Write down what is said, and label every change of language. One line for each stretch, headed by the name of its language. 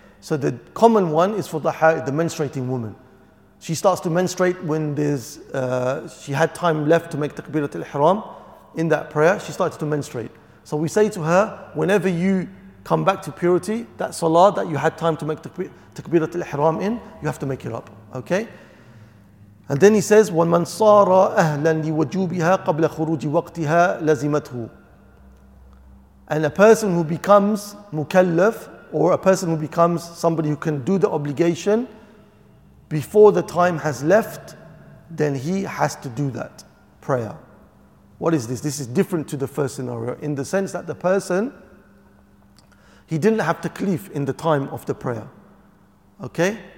English: So the common one is for the menstruating woman. She starts to menstruate when she had time left to make takbiratul ihram. In that prayer, she starts to menstruate. So we say to her, whenever you come back to purity, that salah that you had time to make takbiratul ihram in, you have to make it up. Okay? And then he says,
Arabic: وَمَنْ صَارَ أَهْلًا لِوَجُوبِهَا قَبْلَ خُرُوجِ وَقْتِهَا لَزِمَتْهُ.
English: And a person who becomes mukallaf, or a person who becomes somebody who can do the obligation before the time has left, then he has to do that prayer. What is this? This is different to the first scenario in the sense that the person, he didn't have takleef in the time of the prayer. Okay?